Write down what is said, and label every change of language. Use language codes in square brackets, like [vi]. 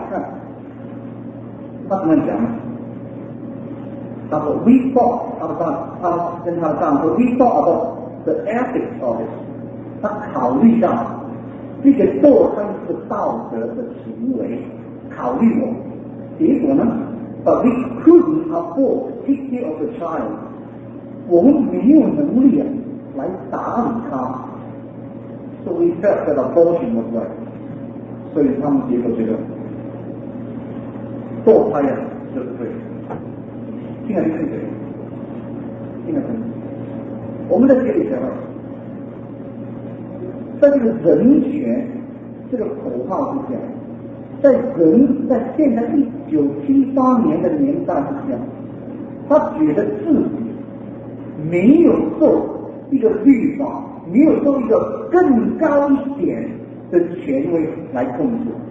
[zh] 他怎么讲？他说 ： [en] “We thought， [zh] 他跟他的丈夫 ， [en] We thought about the ethics of it。 [zh] 他考虑到这个堕胎是道德的行为，考虑过。结果呢 [en] ？But we couldn't afford to take care of the child。 [zh] 我们没有能力啊来打理他。 [en] So we felt that abortion was right。 [zh] 所以他们结果觉得堕胎呀就是对。” 听得很，我们在这里讲，在这个人权这个口号之下，在现在1978年的年代之下，他觉得自己没有受一个律法，没有受一个更高一点的权威来控制。